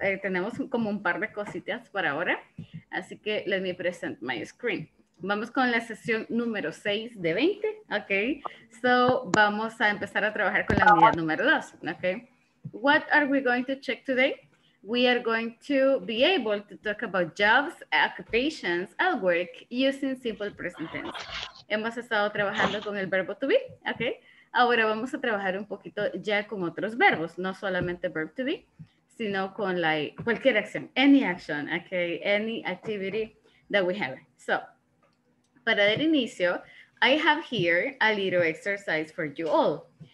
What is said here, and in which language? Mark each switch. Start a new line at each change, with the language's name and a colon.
Spanish: Tenemos como un par de cositas para ahora. Así que
English: let me present my screen.
Spanish: Vamos con la sesión número 6 de 20. Okay. So vamos a empezar a trabajar con la unidad número 2.
English: Okay. What are we going to check today? We are going to be able to talk about jobs, occupations, and work using simple present tense.
Spanish: Hemos estado trabajando con el verbo to be, okay? Ahora vamos a trabajar un poquito ya con otros verbos, no solamente verb to be, sino con like cualquier acción,
English: any action,
Spanish: okay?
English: Any activity that we have. So,
Spanish: para dar inicio,
English: I have here a little exercise for you all.